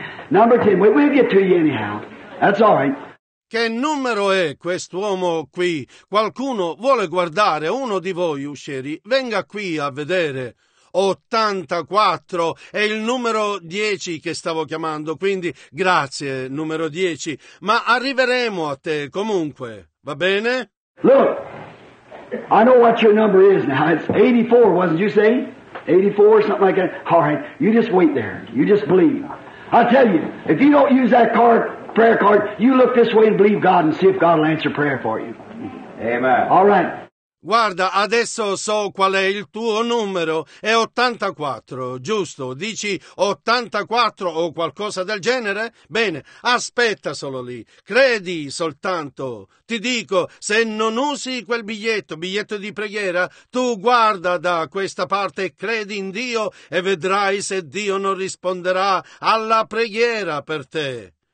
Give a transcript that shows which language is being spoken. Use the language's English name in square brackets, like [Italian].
[English] Number 10, we'll get to you anyhow. That's all right. [Italian] Che numero è quest'uomo qui? Qualcuno vuole guardare? Uno di voi uscieri, venga qui a vedere. 84 è il numero 10 che stavo chiamando, quindi grazie numero 10, ma arriveremo a te comunque, va bene? [English] Look, I know what your number is now. It's 84, wasn't you say? 84 or something like that. All right, you just wait there. You just believe. I tell you, if you don't use that card, prayer card, you look this way and believe God and see if God will answer prayer for you. Amen. All right. [Italian] Guarda, adesso so qual è il tuo numero. È 84, giusto? Dici 84 o qualcosa del genere? Bene, aspetta solo lì. Credi soltanto. Ti dico, se non usi quel biglietto di preghiera, tu guarda da questa parte e credi in Dio e vedrai se Dio non risponderà alla preghiera per te.